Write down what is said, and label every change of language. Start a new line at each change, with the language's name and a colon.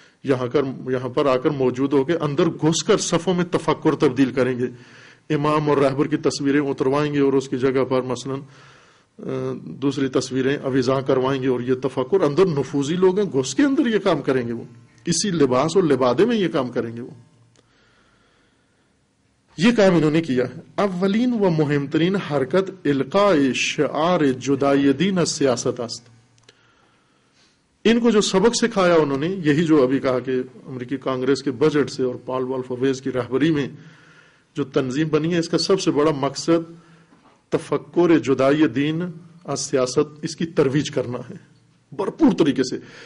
Urdu: یہاں پر آ کر موجود ہو کے اندر گھس کر صفوں میں تفکر تبدیل کریں گے، امام اور رہبر کی تصویریں اتروائیں گے اور اس کی جگہ پر مثلا دوسری تصویریں اویزاں کروائیں گے، اور یہ تفکر اندر نفوذی لوگ ہیں، گھس کے اندر یہ کام کریں گے، وہ اسی لباس اور لبادے میں یہ کام کریں گے. وہ یہ کام انہوں نے کیا ہے.
Persian: اولین و مہم ترین حرکت القاء شعار جدائی دین از سیاست است.
Urdu: ان کو جو سبق سکھایا انہوں نے، یہی جو ابھی کہا کہ امریکی کانگریس کے بجٹ سے اور پال والف اویز کی رہبری میں جو تنظیم بنی ہے، اس کا سب سے بڑا مقصد تفکر
Persian: جدائی دین از سیاست،
Urdu: اس کی ترویج کرنا ہے بھرپور طریقے سے.